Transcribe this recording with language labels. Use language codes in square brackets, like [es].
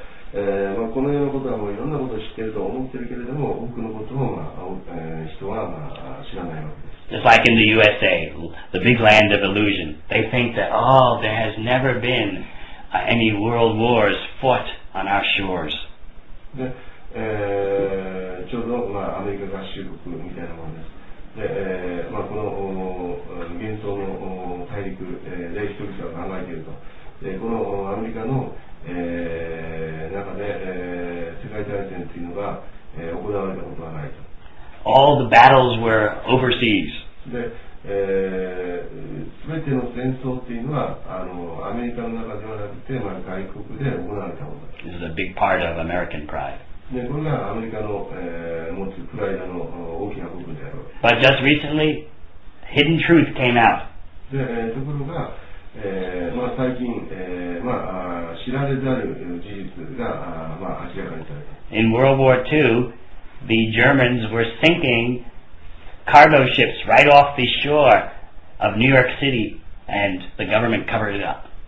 [ja] まあ、このようなことはもういろんなことを知っていると思っているけれども多くのことを、まあ人は、まあ、知らないわけです。 [en] Just like in the USA, the big land of illusion, they think that, oh, there has never been any world wars fought on our shores. [ja] で、ちょうど、まあ、アメリカ合衆国みたいなものです。で、まあ、この幻想の大陸で人々が考えていると。で、このアメリカの中で、世界大戦というのが、行われたことはないと。 [en] All the battles were overseas. [ja] で、全ての戦争というのはアメリカの中ではなくて、まあ、外国で行われたことです。 [en] This is a big part of American pride. [ja] で、これがアメリカの、持つプライドの大きな部分である。 [en] But just recently, hidden truth came out. [ja] で、ところがまあ、最近、まあ、知られざる事実が、まあ、明らかにされた。 [en] In World War II, the Germans were sinking cargo ships right off the shore of New York City, and the government covered it up.